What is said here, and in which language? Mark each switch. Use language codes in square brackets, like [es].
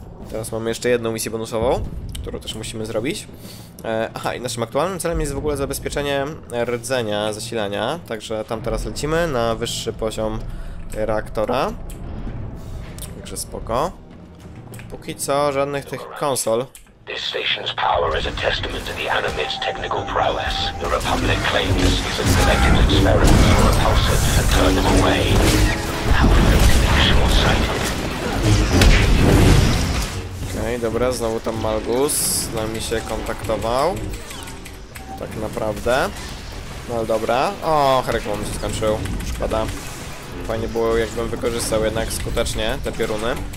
[pl] Teraz mamy jeszcze jedną misję bonusową, którą też musimy zrobić. Aha, i naszym aktualnym celem jest w ogóle zabezpieczenie rdzenia zasilania. Także tam teraz lecimy na wyższy poziom reaktora. Także spoko. Póki co żadnych tych konsol. [en] This station's power is a testament to the Animid's technical prowess. The Republic claims this is a selected experiment for repulsive and turn them away. How fatally short-sighted. [pl] Okej, dobra, znowu tam Malgus z nami się kontaktował. Tak naprawdę. No ale dobra. O, heroic moment się skończył. Szkoda. Fajnie było, jakbym wykorzystał jednak skutecznie te pioruny.